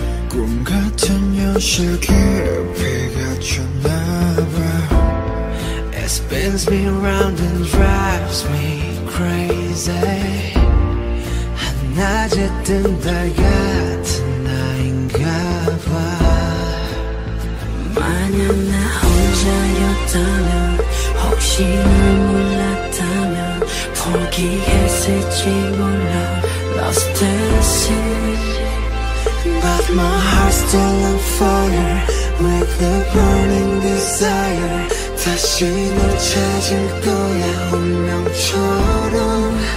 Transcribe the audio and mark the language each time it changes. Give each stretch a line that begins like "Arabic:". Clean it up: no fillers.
Korean: 꿈 같은 현실 깊이 갇혔나봐.
English: It spins me round and drives me crazy.
Korean: 낮에 뜬 달 같은 나인가봐. 만약 나 혼자였다면, 혹시 널 몰랐다면, 포기했을지 몰라.
English: Lost at sea, but my heart's still on fire with the burning desire.
Korean: 다시 널 찾을 거야 운명처럼.